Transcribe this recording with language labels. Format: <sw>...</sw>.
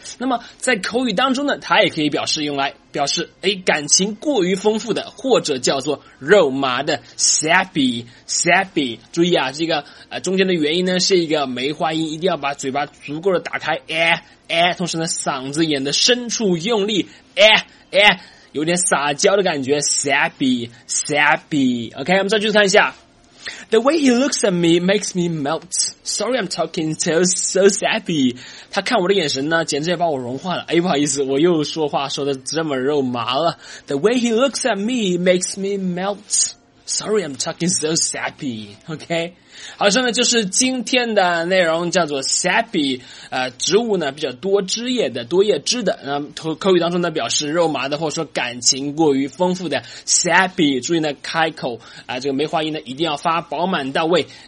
<zh>那么在口语当中呢它也可以表示用来表示，诶，感情过于丰富的，或者叫做肉麻的 sappy。注意啊，这个中间的元音呢是一个梅花音，一定要把嘴巴足够的打开，同时呢嗓子眼的深处用力，有点撒娇的感觉， sappy。OK, 我们再继续看一下。</zh> <en>The way he looks at me makes me melt. Sorry, I'm talking so sappy.</en> <zh>他看我的眼神呢，简直也把我融化了。哎，不好意思，我又说话说的这么肉麻了。</zh> <en>The way he looks at me makes me melt. Sorry, I'm talking so sappy.</en> <zh>OK, 好，上面就是今天的内容，叫做 sappy。植物呢比较多枝叶的，多叶枝的。那口语当中呢表示肉麻的，或者说感情过于丰富的 sappy。注意呢开口这个梅花音呢一定要发饱满到位。</zh>